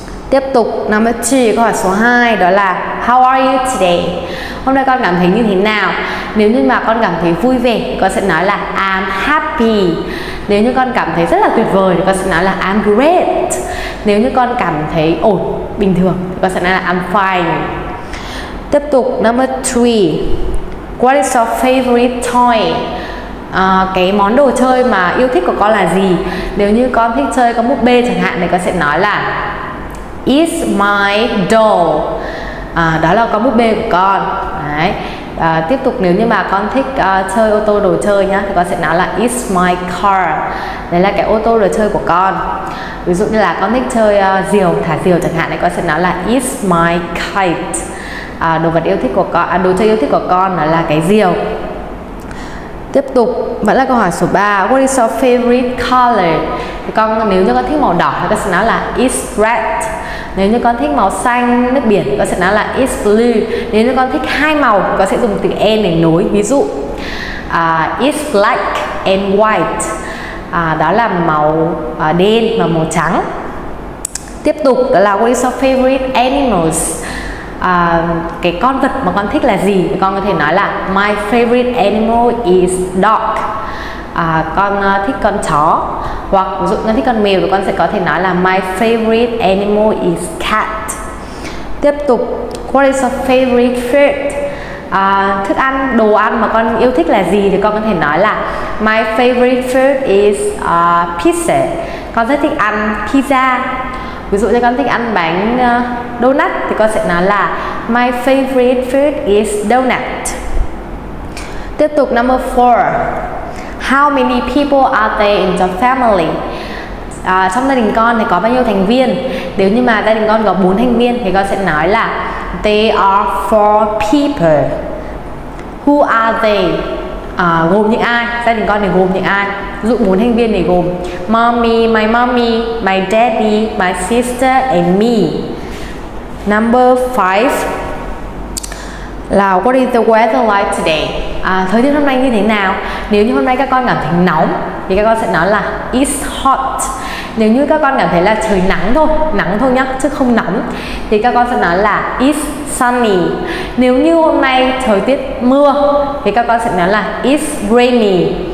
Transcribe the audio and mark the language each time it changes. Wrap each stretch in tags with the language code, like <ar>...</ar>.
<vi>Tiếp tục,</vi> <en>number 2,</en> <vi>câu hỏi số 2 đó là</vi> <en>how are you today?</en> <vi>Hôm nay con cảm thấy như thế nào? Nếu như mà con cảm thấy vui vẻ thì con sẽ nói là</vi> <en>I'm happy.</en> <vi>Nếu như con cảm thấy rất là tuyệt vời thì con sẽ nói là</vi> <en>I'm great.</en> <vi>Nếu như con cảm thấy ổn, bình thường thì con sẽ nói là</vi> <en>I'm fine.</en> <vi>Tiếp tục,</vi> <en>number 3. What is your favorite toy?</en> <vi>Cái món đồ chơi mà yêu thích của con là gì? Nếu như con thích chơi con búp bê chẳng hạn thì con sẽ nói là</vi> <en>It's my doll.</en> <vi>Đó là con búp bê của con. Đấy. Tiếp tục, nếu như mà con thích chơi ô tô đồ chơi nhá, thì con sẽ nói là</vi> <en>It's my car.</en> <vi>Đấy là cái ô tô đồ chơi của con. Ví dụ như là con thích chơi diều, thả diều chẳng hạn thì con sẽ nói là</vi> <en>It's my kite.</en> <vi>Đồ vật yêu thích của con, đồ chơi yêu thích của con là cái diều. Tiếp tục, vẫn là câu hỏi số 3.</vi> <en>What is your favorite color?</en> <vi>Con, nếu như con thích màu đỏ thì con sẽ nói là</vi> <en>It's red.</en> <vi>Nếu như con thích màu xanh nước biển thì con sẽ nói là</vi> <en>It's blue.</en> <vi>Nếu như con thích hai màu thì con sẽ dùng từ and để nối. Ví dụ</vi> <en>It's black and white.</en> <vi>Đó là màu đen và màu trắng. Tiếp tục đó là</vi> <en>what is your favorite animals?</en> <vi>Cái con vật mà con thích là gì? Con có thể nói là</vi> <en>my favorite animal is dog.</en> <vi>Con thích con chó. Hoặc ví dụ con thích con mèo thì con sẽ có thể nói là</vi> <en>my favorite animal is cat.</en> <vi>Tiếp tục,</vi> <en>what is your favorite food?</en> <vi>Thức ăn, đồ ăn mà con yêu thích là gì thì con có thể nói là</vi> <en>my favorite food is pizza.</en> <vi>Con rất thích ăn pizza. Ví dụ như con thích ăn bánh donut thì con sẽ nói là</vi> <en>my favorite food is donut.</en> <vi>Tiếp tục,</vi> <en>number 4. How many people are there in your family?</en> <vi>Trong gia đình con thì có bao nhiêu thành viên? Nếu như mà gia đình con có 4 thành viên thì con sẽ nói là</vi> <en>they are 4 people. Who are they?</en> <vi>Gồm những ai? Gia đình con thì gồm những ai? Ví dụ 4 thành viên thì gồm</vi> <en>mommy, my mommy, my daddy, my sister and me. Number 5</en> <vi>là</vi> <en>what is the weather like today?</en> <vi>Thời tiết hôm nay như thế nào? Nếu như hôm nay các con cảm thấy nóng thì các con sẽ nói là</vi> <en>it's hot.</en> <vi>Nếu như các con cảm thấy là trời nắng thôi nhá, chứ không nóng, thì các con sẽ nói là</vi> <en>it's sunny.</en> <vi>Nếu như hôm nay thời tiết mưa thì các con sẽ nói là</vi> <en>it's rainy.</en>